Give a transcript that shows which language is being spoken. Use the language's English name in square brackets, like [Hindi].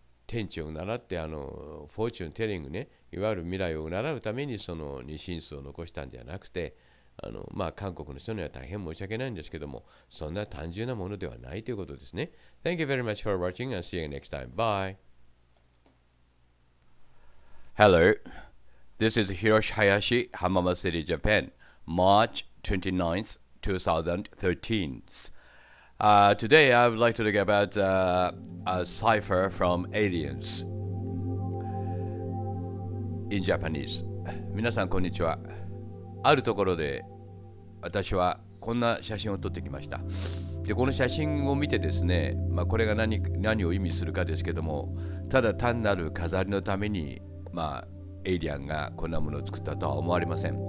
[Japanese] 天地を習って、あのフォーチュンテリングね、いわゆる未来を習うためにその二進数を残したんじゃなくて、あのまあ韓国の人には大変申し訳ないんですけども、そんな単純なものではないということですね。 [English] Thank you very much for watching and see you next time. Bye. Hello, this is Hiroshi Hayashi, Hamamatsu City, Japan, March 29th, 2013. Today I would like to talk about a cipher from aliens in Japanese. [Japanese] 皆さんこんにちは。あるところで私はこんな写真を撮ってきました。でこの写真を見てですね、まあ、これが 何を意味するかですけども、ただ単なる飾りのためにまあエイリアンがこんなものを作ったとは思われません。